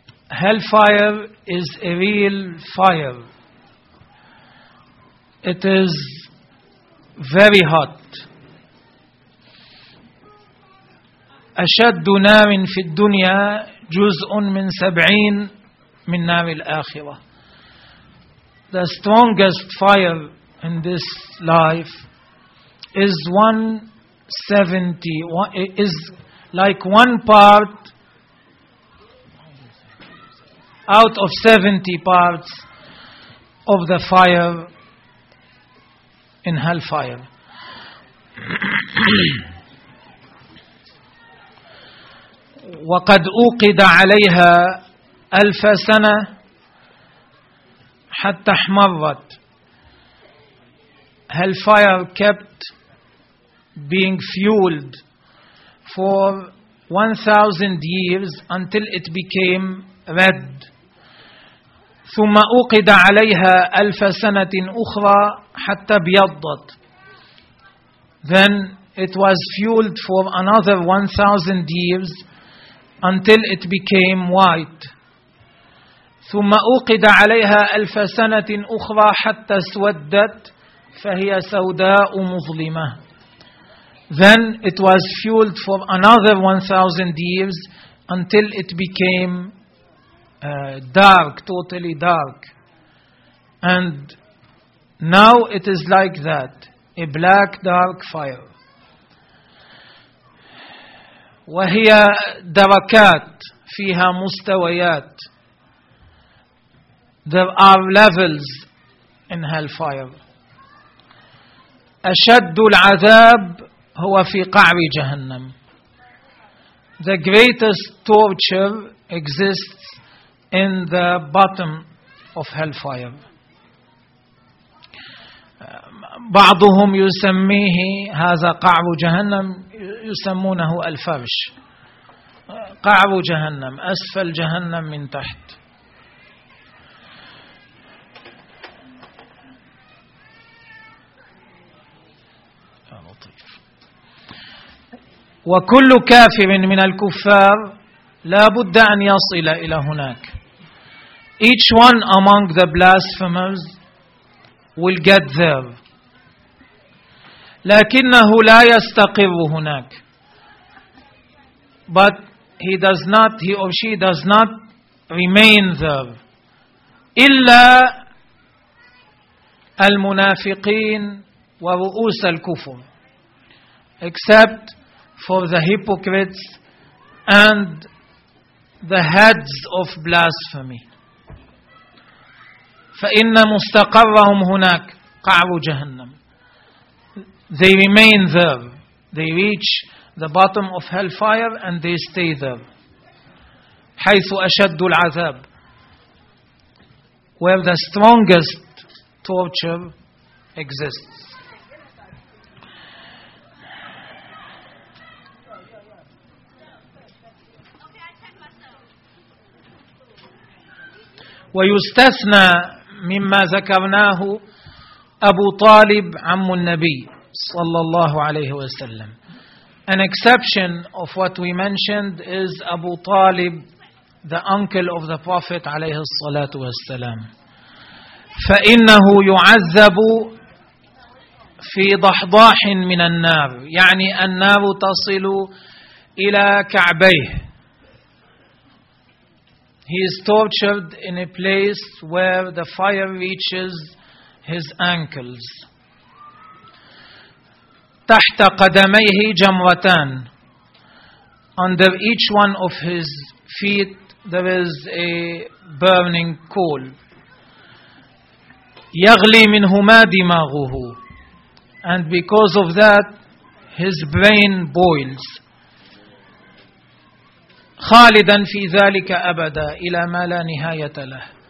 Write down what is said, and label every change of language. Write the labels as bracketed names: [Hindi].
[English] Hellfire is a real fire. It is very hot. [Arabic] أشد نار في الدنيا جزء من 70 من نار الآخرة. [English] The strongest fire in this life is 170, is like one part out of 70 parts of the fire in hellfire. [Arabic] وقد أوقد عليها ألف سنة حتى احمرت. [English] Hellfire kept being fueled for 1,000 years until it became red. [Arabic] ثم أوقد عليها ألف سنة أخرى حتى بيضت. [English] Then it was fueled for another 1,000 years until it became white. [Arabic] ثم أوقد عليها ألف سنة أخرى حتى سودت فهي سوداء مظلمة. [English] Then it was fueled for another 1,000 years until it became dark, totally dark. And now it is like that, a black, dark fire. [Arabic] وهي دركات فيها مستويات. [English] There are levels in hellfire. [Arabic] أشد العذاب هو في قعر جهنم. [English] The greatest torture exists in the bottom of hellfire. [Arabic] بعضهم يسميه هذا قعب جهنم، يسمونه الفرش، قعب جهنم، أسفل جهنم من تحت. وكل كافر من الكفار لا بد أن يصل إلى هناك. [English] Each one among the blasphemers will get there. [Arabic] لكنه لا يستقر هناك. [English] But he does not, he or she does not remain there. [Arabic] إلا المنافقين ورؤوس الكفر. [English] Except for the hypocrites and the heads of blasphemy. [Arabic] فإن مستقرهم هناك قعر جهنم. [English] They remain there. They reach the bottom of hellfire and they stay there. [Arabic] حيث أشد العذاب. [English] Where the strongest torture exists. [Arabic] ويستثنى مما ذكرناه أبو طالب عم النبي صلى الله عليه وسلم. [English] An exception of what we mentioned is Abu Talib, the uncle of the Prophet [Arabic] عليه الصلاة والسلام. فإنه يعذب في ضحضاح من النار، يعني النار تصل إلى كعبيه. [English] He is tortured in a place where the fire reaches his ankles. [Arabic] تحت قدميه جمرتان. [English] Under each one of his feet there is a burning coal. [Arabic] يغلي منهما دماغه. [English] And because of that his brain boils. [Arabic] خالدا في ذلك أبدا إلى ما لا نهاية له.